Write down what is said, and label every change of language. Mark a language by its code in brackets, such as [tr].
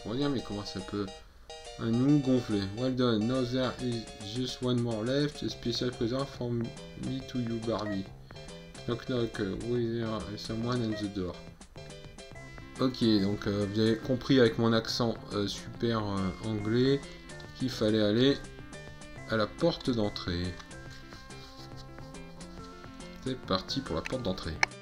[fr] Mais comment ça peut à nous gonfler? [en] Well done, now there is just one more left, a special present from me to you Barbie. Knock knock, who is there? Someone at the door. [fr] Ok, donc vous avez compris avec mon accent super anglais qu'il fallait aller à la porte d'entrée. C'est parti pour la porte d'entrée.